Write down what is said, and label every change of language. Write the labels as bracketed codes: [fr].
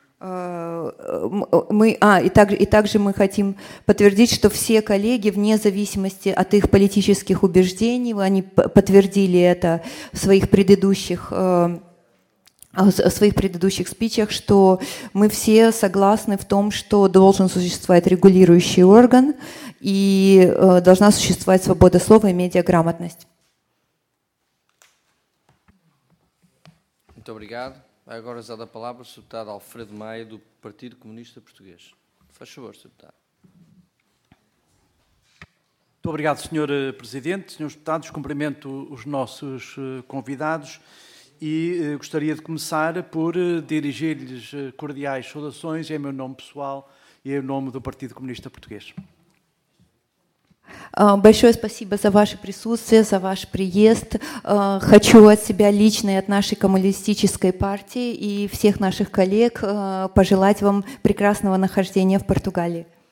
[ru] И также мы хотим подтвердить, что все коллеги, вне зависимости от их политических убеждений, они подтвердили это в своих предыдущих спичах, что мы все согласны в том, что должен существовать регулирующий орган и должна существовать свобода слова и медиаграмотность. [pt] Obrigado. Agora usada a palavra o deputado Alfredo Maia, do Partido Comunista Português. Faz favor, deputado. Muito obrigado, Sr. Presidente, Srs. Deputados. Cumprimento os nossos convidados e gostaria de começar por dirigir-lhes cordiais saudações em meu nome pessoal e em nome do Partido Comunista Português. [ru] Большое спасибо за ваше присутствие, за ваш приезд. Хочу от себя лично и от нашей коммунистической партии и всех наших коллег пожелать вам прекрасного нахождения в Португалии.